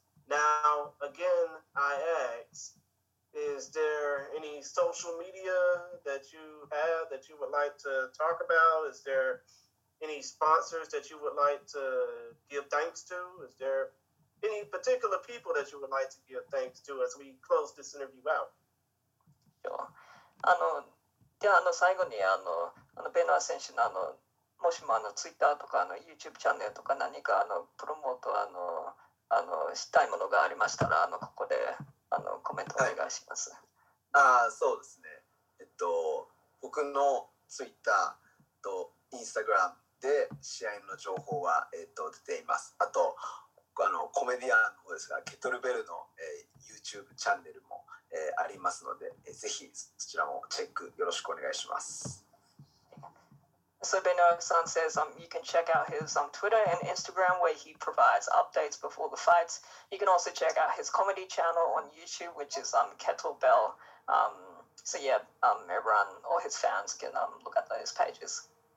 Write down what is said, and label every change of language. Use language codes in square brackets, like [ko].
[en] Now, again, I ask, is there any social media that you have that you would like to talk about? Is there any sponsors that you would like to give thanks to? Is there any particular people that you would like to give thanks to as we close this interview out? Sure. [ja] では最後にベノア選手のもしもツイッターとかYouTube チャンネルとか何かプロモートしたいものがありましたらここでコメントお願いします。はい、そうですね、僕のツイッターとインスタグラムで試合の情報は、出ています。あとコメディアンの方ですがケトルベルの、YouTube チャンネルもありますので、ぜひそちらもチェックよろしくお願いします。 [en] So Benoit-san says you can check out his Twitter and Instagram where he provides updates before the fights. You can also check out his comedy channel on YouTube, which is Kettlebell So yeah, everyone, all his fans can look at those pages.